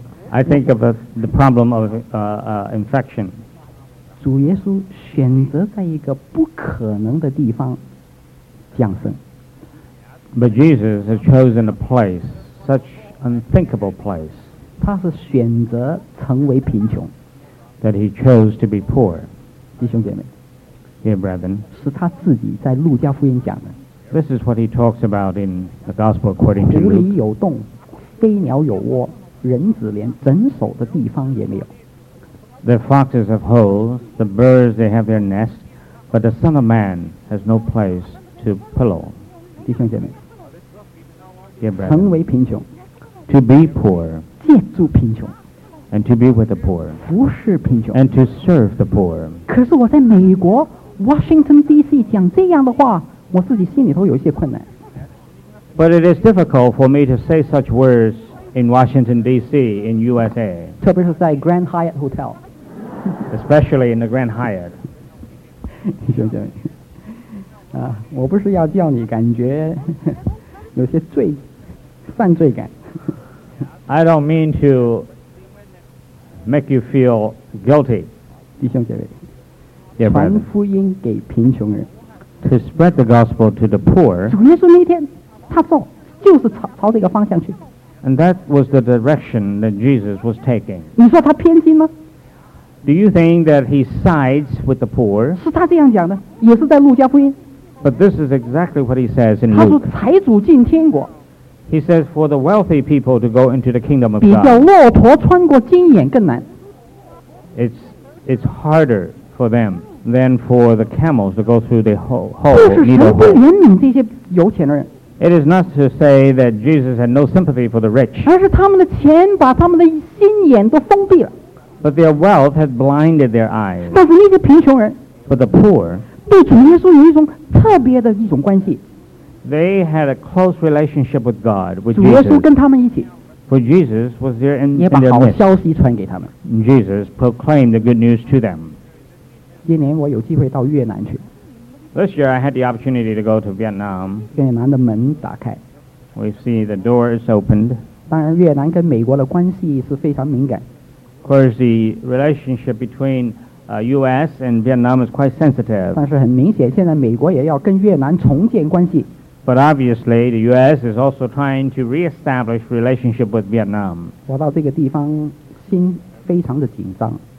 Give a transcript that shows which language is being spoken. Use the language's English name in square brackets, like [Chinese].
[English] I think of the problem of infection. [Chinese] 主耶稣选择在一个不可能的地方降生。 [English] But Jesus has chosen a place, such unthinkable place. [Chinese] 他是选择成为贫穷。 [English] That he chose to be poor. [Chinese] 弟兄姐妹。 [English] Dear brethren. [Chinese] 是他自己在路加福音讲的。 [English] This is what he talks about in the gospel according to Luke. [Chinese] 狐狸有洞，飞鸟有窝，人子连枕首的地方也没有。 [English] The foxes have holes, the birds they have their nests, but the Son of Man has no place to pillow. [Chinese] 弟兄姐妹。 [English] Dear brethren. [Chinese] 成为贫穷。 [English] To be poor. [Chinese] 借助贫穷 [English] and to be with the poor [Chinese] 服侍贫穷 [English] and to serve the poor [Chinese] 可是我在美国 Washington DC 讲这样的话我自己心里头有一些困难 [English] but it is difficult for me to say such words in Washington DC in USA [Chinese] 特别是在 Grand Hyatt Hotel [English] especially in the Grand Hyatt [Chinese] 弟兄姐妹我不是要叫你感觉有些罪犯罪感 [English] I don't mean to make you feel guilty. [Chinese] 弟兄姐妹 [English] Dear brother, [Chinese] 传福音给贫穷人 [English] To spread the gospel to the poor. [Chinese] 主耶稣那天他走就是 朝这个方向去 [English] And that was the direction that Jesus was taking. [Chinese] 你说他偏心吗 [English] Do you think that he sides with the poor? [Chinese] 是他这样讲的也是在路加福音 [English] But this is exactly what he says in Luke. [Chinese] 他说财主进天国 [English] He says for the wealthy people to go into the kingdom of God. [Chinese] 比较骆驼穿过金眼更难。 [English] It's harder for them than for the camels to go through the hole. [Chinese] 就是神不怜悯这些有钱的人。 [English] It is not to say that Jesus had no sympathy for the rich. [Chinese] 而是他们的钱把他们的心眼都封闭了。 [English] But their wealth had blinded their eyes. [Chinese] 但是那些贫穷人。 [English] But the poor. [Chinese] 对主耶稣有一种特别的一种关系。 [English] They had a close relationship with God. With [Chinese] 主耶稣跟他们一起。 [English] For Jesus was there in their midst. [Chinese] 也把好消息传给他们。 [English] Jesus proclaimed the good news to them. [Chinese] 今年我有机会到越南去。 [English] This year I had the opportunity to go to Vietnam. [Chinese] 越南的门打开。 [English] We see the door is opened. [Chinese] 当然越南跟美国的关系是非常敏感。 [English] Of course, the relationship between U.S. and Vietnam is quite sensitive. [Chinese] 但是很明显，现在美国也要跟越南重建关系。 [English] But obviously, the U.S. is also trying to reestablish relationship with Vietnam. [Chinese] 我到这个地方，心非常的紧张。